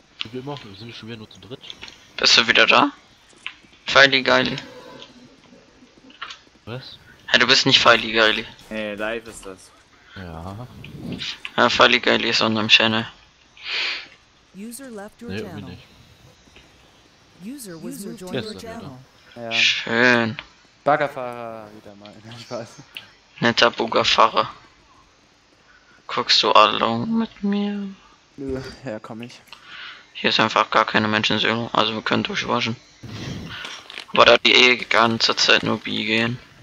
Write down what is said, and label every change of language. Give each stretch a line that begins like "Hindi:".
German: Wie immer, wir sind schon wieder nur zu dritt. Bist du wieder da? Feili Geili. Was? Hey, du bist nicht Feili Geili. Hey, live ist das. Ja. Ja, Feili Geili ist unserem Channel.
English: User left your channel.
German: Nee, irgendwie nicht.
English: User was moved to your channel.
German: Ja. Schön. Baggerfahrer wieder mal. Spaß. Netter Buggerfahrer. Guckst du along mit mir? Nö, ja, komm ich. Hier ist einfach gar keine Menschenseele, also wir können durchwaschen. Aber da die eh die ganze Zeit nur B gehen.